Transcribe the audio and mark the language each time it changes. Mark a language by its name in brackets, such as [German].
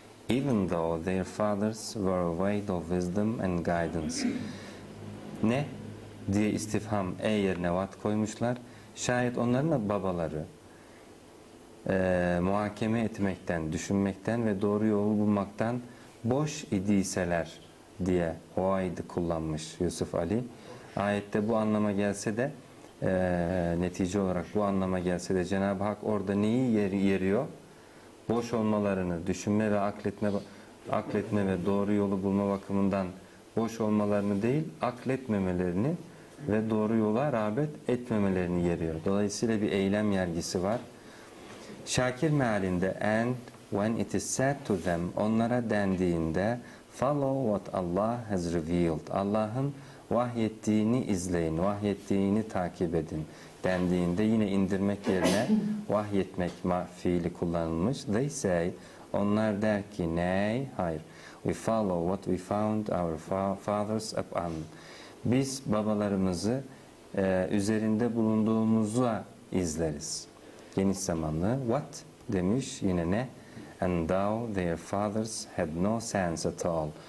[English] Even though their fathers were void of wisdom and guidance. [Turkish] Ne? Diye istifham e yerine what koymuşlar. Şayet onların da babaları muhakeme etmekten, düşünmekten ve doğru yolu bulmaktan boş idiyseler diye void kullanmış Yusuf Ali. Ayette bu anlama gelse de netice olarak bu anlama gelse de Cenab-ı Hak orada neyi yeriyor? Boş olmalarını, düşünme ve akletme ve doğru yolu bulma bakımından boş olmalarını değil, akletmemelerini ve doğru yola rağbet etmemelerini yeriyor. Dolayısıyla bir eylem yergisi var. Şakir mealinde [English] and when it is said to them, [Turkish] onlara dendiğinde [English] follow what Allah has revealed. [Turkish] Allah'ın vahyettiğini izleyin, vahyettiğini takip edin dendiğinde yine indirmek yerine vahyetmek fiili kullanılmış. [English] They say, [Turkish] onlar der ki ney? Hayır. [English] We follow what we found our fathers upon. [Turkish] Biz babalarımızı üzerinde bulunduğumuzu izleriz. Geniş zamanlı. What? Demiş yine ne? [English] And thou their fathers had no sense at all.